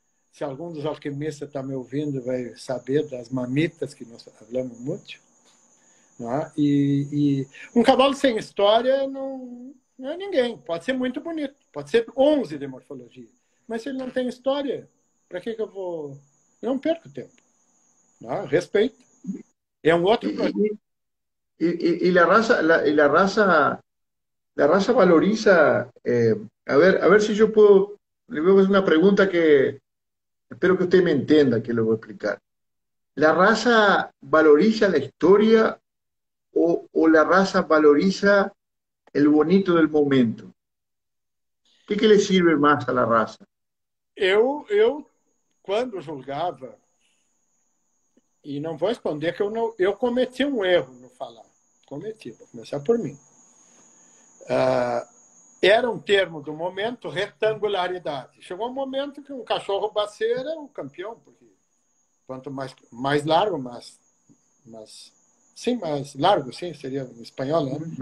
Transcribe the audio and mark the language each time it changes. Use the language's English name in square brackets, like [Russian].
[Portuguese] Se algum dos alquimistas está me ouvindo, vai saber das mamitas que nós falamos muito. Não é? E um cavalo sem história não é ninguém. Pode ser muito bonito, pode ser 11 de morfologia, mas se ele não tem história, para que que eu vou. Eu não perco tempo. Não, respeito. É um outro projeto. [Spanish] Y la raza, la raza valoriza, a ver si yo puedo, le voy a hacer una pregunta que espero que usted me entienda, que le voy a explicar. ¿La raza valoriza la historia o la raza valoriza el bonito del momento? ¿Qué le sirve más a la raza? [Portuguese] Eu quando julgava. E não vou responder que eu não, eu cometi um erro no falar. Cometi, vou começar por mim. Era um termo do momento, retangularidade. Chegou um momento que um cachorro baceiro é o campeão, porque quanto mais largo, mas sim, mais largo, sim, seria em espanhol, né?